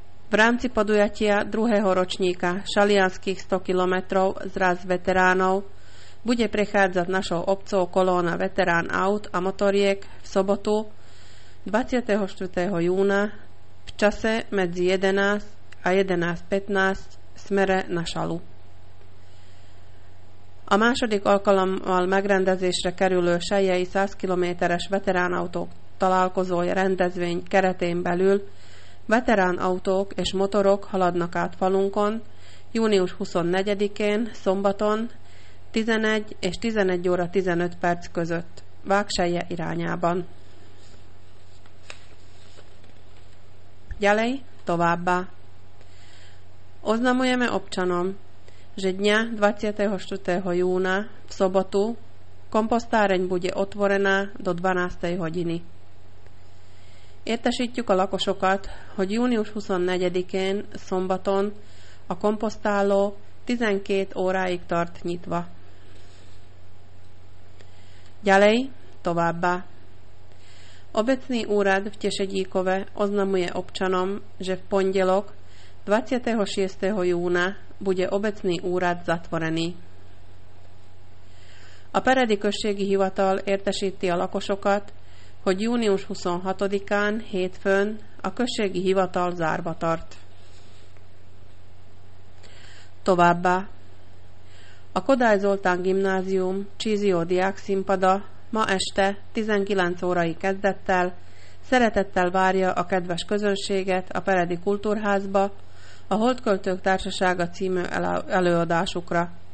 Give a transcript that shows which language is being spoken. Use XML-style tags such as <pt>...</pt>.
<sk>V rámci podujatia druhého ročníka šalianských 100 kilometrov zraz veteránov bude prechádzať našou obcou kolóna veterán aut a motoriek v sobotu 24. júna v čase medzi 11 a 11.15 smere na šalu.</sk> <hu>A második alkalommal megrendezésre kerülő sejjei 100 kilométeres veteránautók találkozói rendezvény keretén belül veteránautók és motorok haladnak át falunkon június 24-én szombaton 11 és 11 óra 15 perc között Vágsejje irányában.</hu> <sk>Ďalej</sk> <hu>továbbá.</hu> <sk>Oznamujeme občanom, že dňa 24. júna v sobotu komposztáreň bude otvorená do 12. hodiny.</sk> <hu>Értesítjük a lakosokat, hogy június 24-én szombaton a komposztáló 12 óráig tart nyitva.</hu> <sk>Ďalej</sk> <hu>továbbá.</hu> <sk>Obecný úrad v Tešedíkove oznamuje občanom, že v pondelok 26. júna bude obecný úrad zatvorený.</sk> <hu>A Peredi községi hivatal értesíti a lakosokat, hogy június 26-án hétfőn a községi hivatal zárva tart. Továbbá a Kodály Zoltán gimnázium Csízió diák színpada ma este 19 órai kezdettel szeretettel várja a kedves közönséget a Peredi Kultúrházba, a Holdköltők Társasága című előadásukra.</hu>